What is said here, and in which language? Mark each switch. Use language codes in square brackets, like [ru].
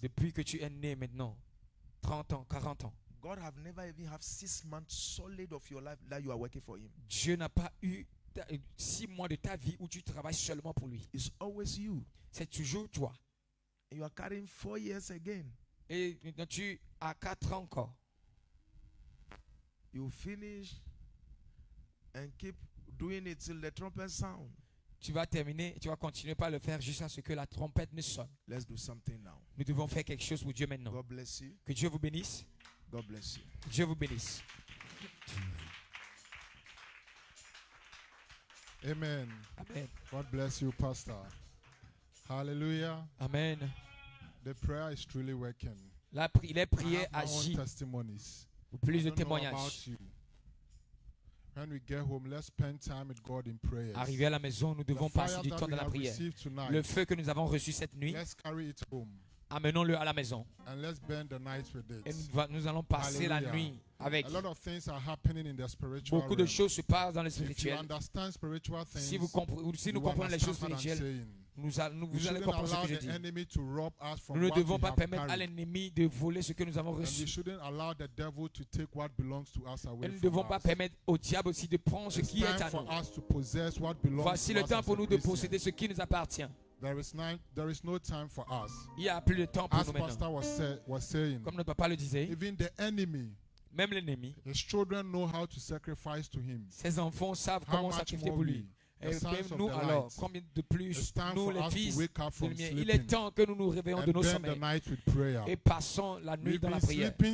[fr] depuis que tu es né maintenant, 30 ans, 40 ans, [en] God have never even have 6 months solid of your life that you are working for Him. [fr] Dieu n'a pas eu 6 mois de ta vie où tu travailles seulement pour lui. [en] It's always you. [fr] C'est toujours toi. [en] And you are carrying 4 years again. [fr] Et maintenant tu as 4 ans encore. [en] You finish and keep doing it till the trumpet sound. [fr] Tu vas terminer et tu vas continuer par le faire jusqu'à ce que la trompette ne sonne. [en] Let's do something now. [fr] Nous devons faire quelque chose pour Dieu maintenant. [en] God bless you. [fr] Que Dieu vous bénisse. [en] God bless you. [fr] Dieu vous bénisse. Amen. Amen. [en] God bless you, Pastor. Hallelujah. Amen. The prayer is truly working. [fr] Les prières agissent. Plus de témoignages. Plus de témoignages. [en] When we get home, let's spend time with God in prayer. [fr] Arrivé à la maison, nous devons passer du temps dans la prière. [en] Tonight, [fr] le feu que nous avons reçu cette nuit, [en] let's carry it home. [fr] Amenons-le à la maison. [en] And let's spend the night with it. [fr] Et nous allons passer Hallelujah. La nuit avec. [en] A lot of things are happening in the spiritual [fr] Beaucoup [en] realm. [fr] De choses se passent dans le spirituel. [en] If you understand spiritual things, [fr] si, vous si nous comprenons les choses spirituelles, vous allez comprendre ce que je dis. Nous ne devons pas permettre à l'ennemi de voler ce que nous avons reçu. Et nous ne devons pas permettre au diable aussi de prendre ce qui est à nous. Voici le temps pour nous de posséder ce qui nous appartient. [en] There is no time for us. [fr] Il n'y a plus de temps pour nous maintenant. Comme notre papa le disait, [en] even the enemy, [fr] même l'ennemi, [en] his children know how to sacrifice to him. [fr] Ses enfants savent comment sacrifier pour lui. Et nous alors, combien de plus, nous les fils, il est temps que nous nous réveillons de nos sommeils et passons la nuit dans la prière.